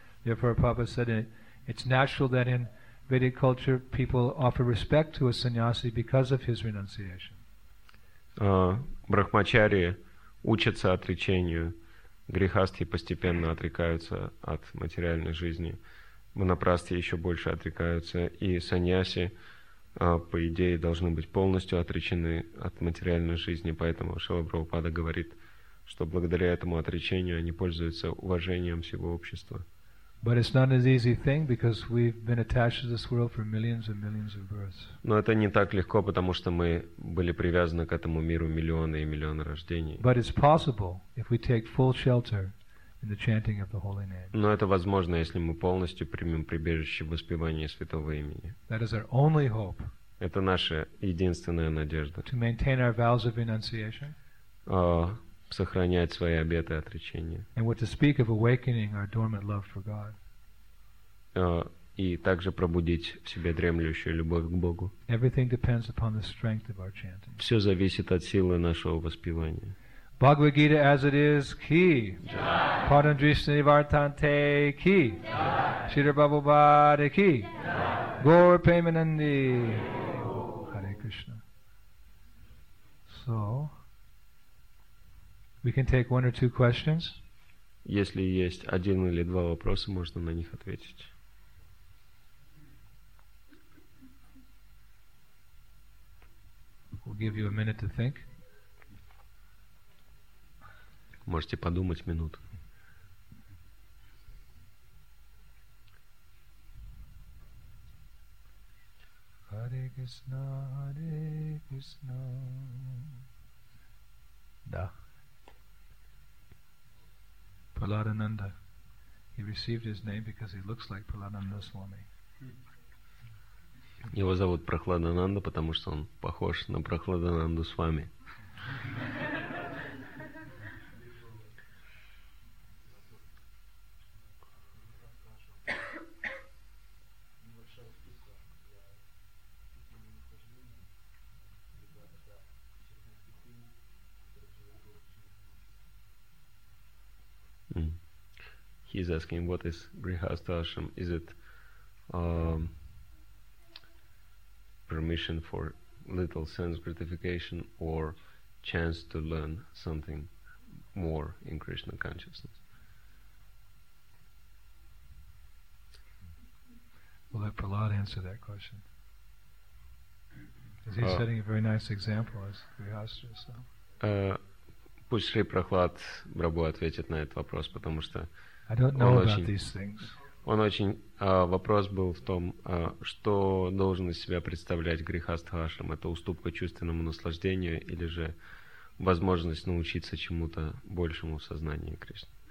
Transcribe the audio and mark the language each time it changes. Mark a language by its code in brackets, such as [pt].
[en] Therefore, Prabhupada said it's natural that in Vedic culture people offer respect to a sannyasi because of his renunciation. [ru] Брахмачари учатся отречению. Грихасти постепенно отрекаются от материальной жизни. Ванапрасти еще больше отрекаются. И саньяси, по идее, должны быть полностью отречены от материальной жизни. Поэтому Шрила Прабхупада говорит, что благодаря этому отречению они пользуются уважением всего общества. [en] But it's not an easy thing because we've been attached to this world for millions and millions of births. [ru] Но это не так легко, потому что мы были привязаны к этому миру миллионы и миллионы рождений. [en] But it's possible if we take full shelter in the chanting of the holy name. [ru] Но это возможно, если мы полностью примем прибежище в воспевании святого имени. [en] That is our only hope. [ru] Это наша единственная надежда. [en] To maintain our vows of renunciation. [ru] Сохранять свои обеты и отречения. [en] And what to speak of awakening our dormant love for God. [ru] И также пробудить в себе дремлющую любовь к Богу. [en] Everything depends upon the strength of our chanting. [ru] Все зависит от силы нашего воспевания. [sa] Bhagavad Gita [en] as it is, [sa] ki. Padam drishti nivartante, ki. Shri Prabhupada, ki. Gaur Premanandi. Hare Krishna. [en] So, we can take one or two questions. [ru] Если есть один или два вопроса, можно на них ответить. [en] We'll give you a minute to think. [ru] Можете подумать минуту. [sa] Hare Krishna, Hare Krishna. [ru] Да. Pralhadananda. [en] He received his name because he looks like Pralhadananda Swami. [ru] Его зовут Прахладананда, потому что он похож на Прахладананду Свами. [en] He's asking, what is Grihastha Ashram? Is it permission for little sense gratification or chance to learn something more in Krishna consciousness? let Prahlad answer that question. Because he's setting a very nice example as Grihastha. So. [ru] Пусть Шри Прахлад Брабу ответит на этот вопрос, потому что он очень... Вопрос был в том, что должен из себя представлять Грихастха Ашрам. Это уступка чувственному наслаждению или же возможность научиться чему-то большему в сознании Кришны.